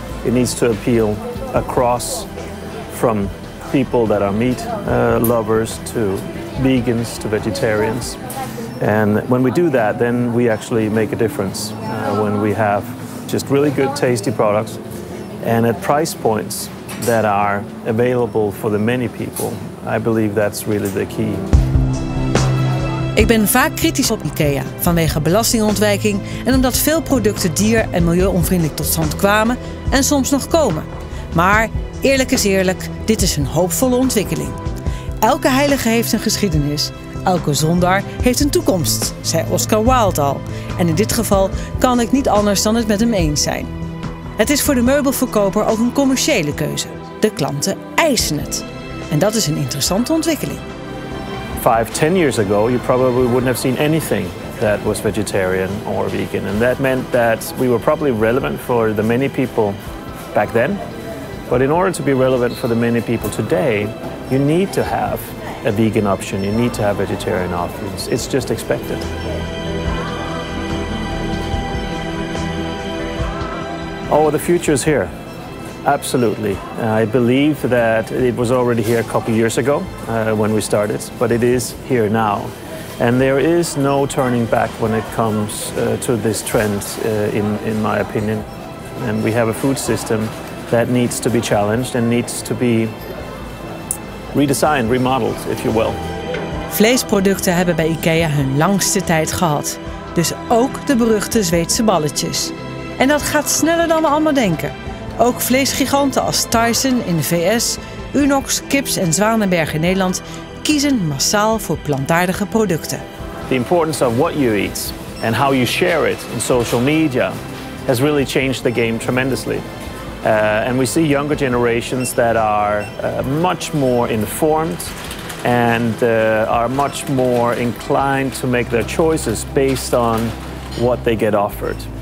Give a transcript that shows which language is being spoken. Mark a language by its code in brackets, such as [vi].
[en] It needs to appeal across from people that are meat lovers to vegans to vegetarians. And when we do that, then we actually make a difference when we have just really good, tasty products and at price points that are available for the many people. I believe that's really the key. [nl] Ik ben vaak kritisch op IKEA vanwege belastingontwijking en omdat veel producten dier- en milieuonvriendelijk tot stand kwamen en soms nog komen. Maar eerlijk is eerlijk, dit is een hoopvolle ontwikkeling. Elke heilige heeft een geschiedenis, elke zondaar heeft een toekomst, zei Oscar Wilde al. En in dit geval kan ik niet anders dan het met hem eens zijn. Het is voor de meubelverkoper ook een commerciële keuze. De klanten eisen het. En dat is een interessante ontwikkeling. [en] 5-10 years ago, you probably wouldn't have seen anything that was vegetarian or vegan. And that meant that we were probably relevant for the many people back then. But in order to be relevant for the many people today, you need to have a vegan option. You need to have vegetarian options. It's just expected. Oh, the future is here. Absolutely. I believe that it was already here a couple years ago when we started, but it is here now. And there is no turning back when it comes to this trend, in my opinion. And we have a food system that needs to be challenged and needs to be redesigned, remodeled, if you will. [nl] Vleesproducten hebben bij IKEA hun langste tijd gehad. Dus ook de beruchte Zweedse balletjes. En dat gaat sneller dan we allemaal denken. Ook vleesgiganten als Tyson in de VS, Unox, Kips en Zwanenberg in Nederland kiezen massaal voor plantaardige producten. [en] The importance of what you eat and how you share it in social media has really changed the game tremendously. And we see younger generations that are much more informed and are much more inclined to make their choices based on what they get offered.